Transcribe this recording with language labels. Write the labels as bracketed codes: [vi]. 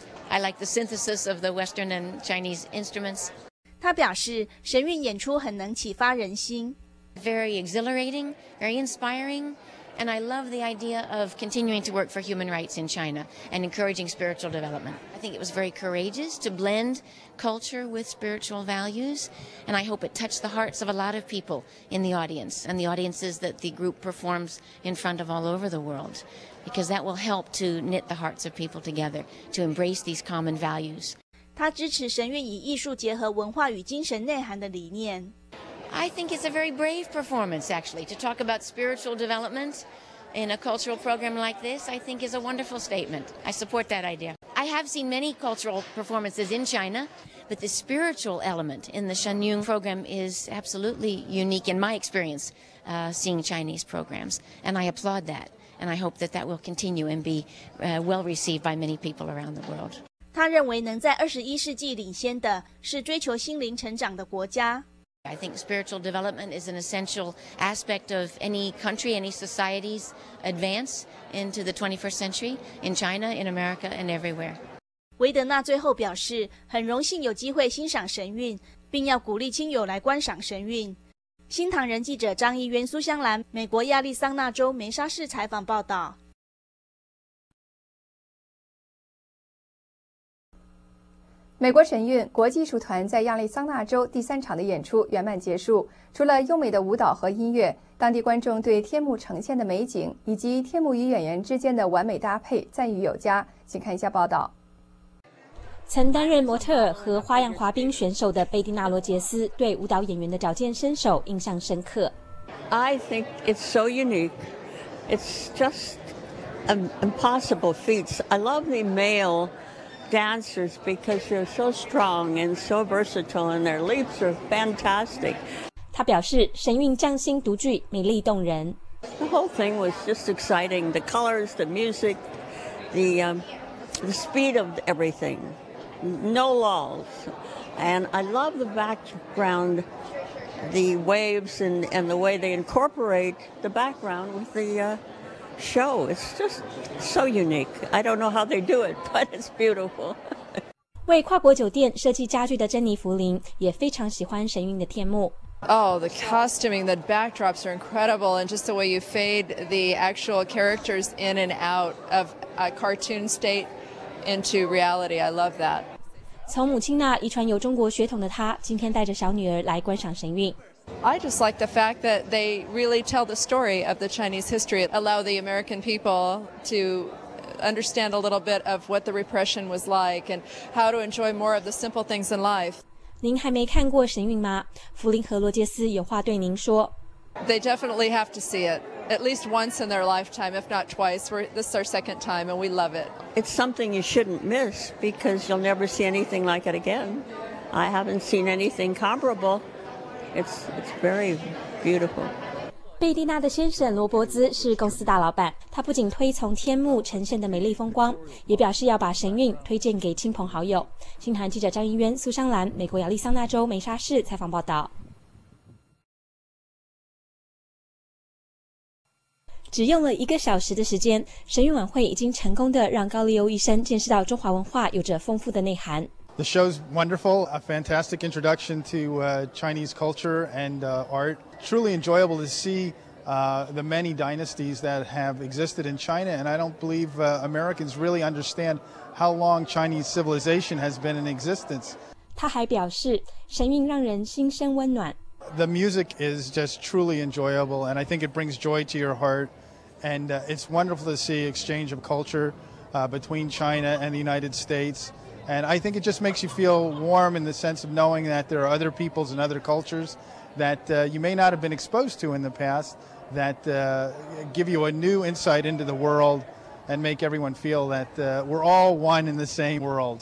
[en] I like the synthesis of the Western and Chinese instruments. [zh] 他表示，神韵演出很能启发人心。 [en] Very exhilarating, very inspiring. And I love the idea of continuing to work for human rights in China and encouraging spiritual development. I think it was very courageous to blend culture with spiritual values, and I hope it touched the hearts of a lot of people in the audience and the audiences that the group performs in front of all over the world, because that will help to knit the hearts of people together to embrace these common values. [zh] 他支持神韵以艺术结合文化与精神内涵的理念。 [en] I think it's a very brave performance, actually, to talk about spiritual development in a cultural program like this, I think is a wonderful statement. I support that idea. I have seen many cultural performances in China, but the spiritual element in the Shen Yun program is absolutely unique in my experience, seeing Chinese programs, and I applaud that, and I hope that that will continue and be well received by many people around the world. [zh] 他认为能在21世纪领先的是追求心灵成长的国家。 [en] I think spiritual development is an essential aspect of any country, any society's advance into the 21st century in China, in America, and everywhere. [zh] 维德纳最后表示，很荣幸有机会欣赏神韵，并要鼓励亲友来观赏神韵。新唐人记者张一渊、苏香兰，美国亚利桑那州梅沙市采访报道。美国神韵国际艺术团在亚利桑那州第三场的演出圆满结束。除了优美的舞蹈和音乐，当地观众对天幕呈现的美景以及天幕与演员之间的完美搭配赞誉有加。请看一下报道。曾担任模特和花样滑冰选手的贝蒂纳罗杰斯对舞蹈演员的矫健身手印象深刻。 [en] I think it's so unique. It's just impossible feats. I love the male. Dancers, because they're so strong and so versatile, and their leaps are fantastic. [zh] 他表示，神韵匠心独具，美丽动人。 [en] The whole thing was just exciting. The colors, the music, the speed of everything. No lulls. And I love the background, the waves, and the way they incorporate the background with the show. It's just so unique. I don't know how they do it, but it's beautiful. [zh] 为跨国酒店设计家具的珍妮弗林也非常喜欢神韵的天幕。 [en] Oh, the costuming, the backdrops are incredible, and just the way you fade the actual characters in and out of a cartoon state into reality. I love that. [zh] 从母亲那遗传有中国血统的她，今天带着小女儿来观赏神韵。 [en] I just like the fact that they really tell the story of the Chinese history, allow the American people to understand a little bit of what the repression was like and how to enjoy more of the simple things in life. [zh] 您还没看过神韵吗？弗林和罗杰斯有话对您说。 [en] They definitely have to see it, at least once in their lifetime, if not twice. This is our second time and we love it. It's something you shouldn't miss because you'll never see anything like it again. I haven't seen anything comparable. It's very beautiful. [zh] 贝蒂娜的先生罗伯兹是公司大老板，他不仅推崇天幕呈现的美丽风光，也表示要把神韵推荐给亲朋好友。新唐记者张一渊、苏香兰，美国亚利桑那州梅沙市采访报道。只用了一个小时的时间，神韵晚会已经成功的让高丽欧医生见识到中华文化有着丰富的内涵。 [en] The show's wonderful, a fantastic introduction to Chinese culture and art. Truly enjoyable to see the many dynasties that have existed in China, and I don't believe Americans really understand how long Chinese civilization has been in existence. [zh] 他还表示，神韵让人心生温暖。 [en] The music is just truly enjoyable, and I think it brings joy to your heart, and it's wonderful to see exchange of culture between China and the United States. And I think it just makes you feel warm in the sense of knowing that there are other peoples and other cultures that you may not have been exposed to in the past that give you a new insight into the world and make everyone feel that we're all one in the same world.